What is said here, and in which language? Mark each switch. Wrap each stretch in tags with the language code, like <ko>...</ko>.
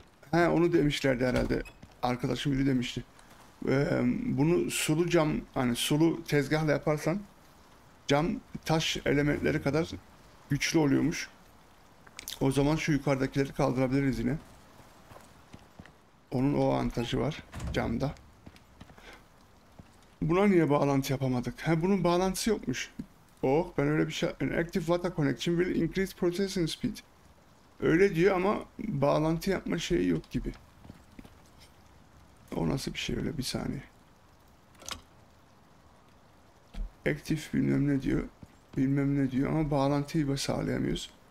<tr>He onu demişlerdi herhalde. Arkadaşım biri demişti. Bunu sulu cam, hani sulu tezgahla yaparsan cam taş elementleri kadar güçlü oluyormuş. O zaman şu yukarıdakileri kaldırabiliriz yine. Onun o avantajı var camda. Buna niye bağlantı yapamadık? Ha bunun bağlantısı yokmuş. Oh ben öyle bir şey...</tr> <en>An active water connection will increase processing speed.</en> <tr>Öyle diyor ama bağlantı yapma şeyi yok gibi. O nasıl bir şey öyle bir saniye. Active bilmem ne diyor. Bilmem ne diyor ama bağlantıyı da sağlayamıyoruz.</tr>